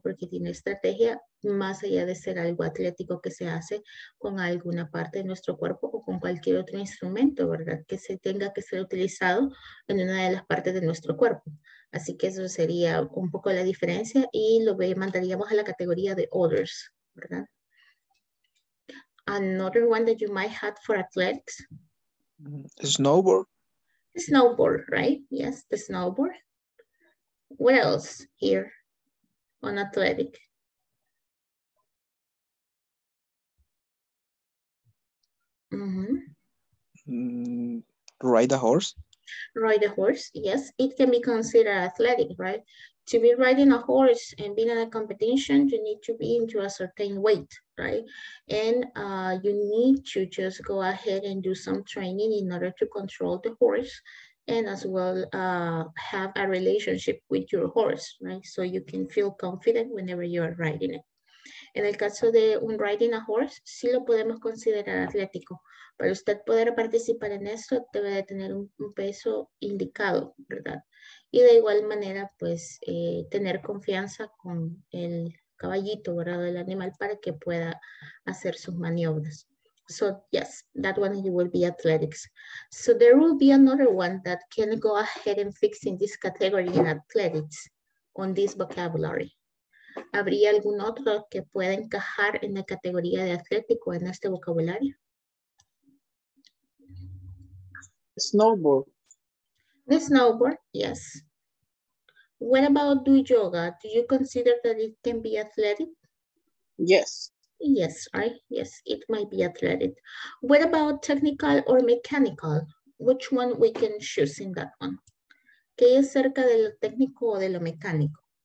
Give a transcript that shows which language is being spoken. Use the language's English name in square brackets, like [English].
[Spanish] Porque tiene estrategia más allá de ser algo atlético que se hace con alguna parte de nuestro cuerpo o con cualquier otro instrumento, ¿verdad? Que se tenga que ser utilizado en una de las partes de nuestro cuerpo. Así que eso sería un poco la diferencia y lo mandaríamos a la categoría de others, ¿verdad? [English] Another one that you might have for athletics. Snowboard. Snowboard, right? Yes, the snowboard. What else here on athletic? Mm-hmm. Ride a horse. Ride a horse, yes. It can be considered athletic, right? To be riding a horse and being in a competition, you need to be into a certain weight, right? And you need to just go ahead and do some training in order to control the horse and as well have a relationship with your horse, right? So you can feel confident whenever you are riding it. [Spanish] En el caso de un [English] riding a horse, [Spanish] sí lo podemos considerar atlético. Para usted poder participar en eso, debe de tener un peso indicado, ¿verdad? Y de igual manera, pues, tener confianza con el caballito, ¿verdad? El animal para que pueda hacer sus maniobras. [English] So, yes, that one will be athletics. So, there will be another one that can go ahead and fix in this category in athletics. on this vocabulary. [Spanish] ¿Habría algún otro que pueda encajar en la categoría de atlético en este vocabulario? [English] Snowboard. The snowboard, yes. What about do yoga? Do you consider that it can be athletic? Yes. Yes, right? Yes, it might be athletic. What about technical or mechanical? Which one we can choose in that one? [Spanish] ¿Qué es cerca de lo técnico o de lo mecánico?